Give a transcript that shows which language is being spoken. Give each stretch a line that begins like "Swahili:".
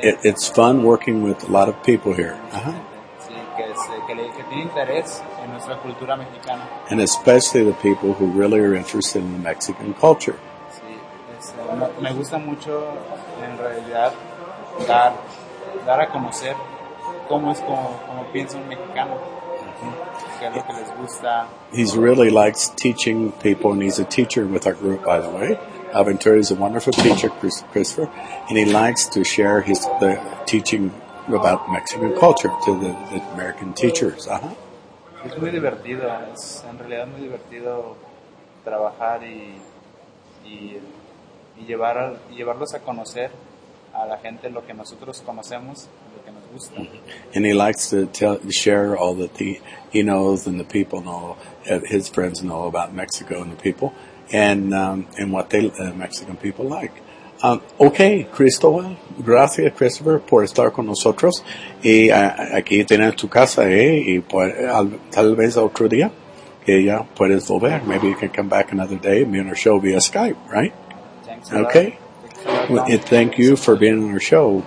English: It's fun working with a lot of people here.
Spanish: que tiene interés en nuestra cultura mexicana.
English: And especially the people who really are interested in the Mexican culture.
Spanish: Sí, es, me gusta mucho en realidad dar a conocer cómo es como piensa un mexicano.
English: He really likes teaching people, and he's a teacher with our group, by the way. Aventura is a wonderful teacher, Christopher, and he likes to share his the teaching about Mexican culture to the American teachers.
Spanish: Es muy divertido, es en realidad muy divertido trabajar y llevarlos a conocer a la gente lo que nosotros conocemos.
English: And he likes to share all that he knows and the people know, his friends know about Mexico and the people, and what the Mexican people like.
Spanish: Okay, Cristóbal, gracias, Christopher, por estar con nosotros. Y aquí tienes tu casa, y tal vez otro día que ya puedes volver.
English: Maybe you can come back another day and be on our show via Skype, right? Thanks. Okay. Well, thank you for being on our show.